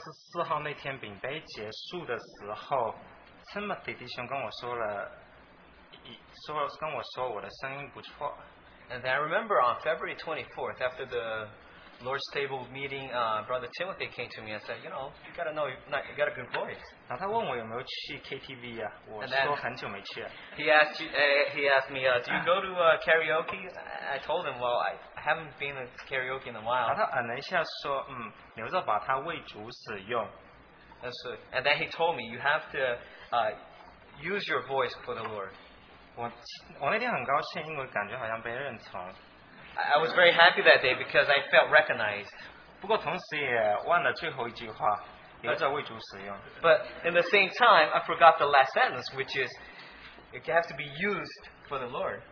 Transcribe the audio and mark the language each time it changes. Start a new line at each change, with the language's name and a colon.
Chinese: 然后之后突然间想起，在2月24号那天饼杯结束的时候， Timothy 弟兄跟我说了，说跟我说我的声音不错。
English: And then I remember on February 24th, after the Lord's Table meeting, Brother Timothy came to me and said, you got a good voice.
Chinese: 然后他问我有没有去 KTV 啊，我说很久没去。
English: He asked me, do you go to karaoke? I told him, well, I haven't been to karaoke in a while.
Chinese: 然后他按了一下说，留着把它为主使用。And
English: then he told me, you have to use your voice for the Lord.
Chinese: 我那天很高兴，因为感觉好像被认同。
English: I was very happy that day because I felt recognized.
Chinese: 不过同时也忘了最后一句话,
English: but in the same time, I forgot the last sentence, which is, it has to be used for the Lord.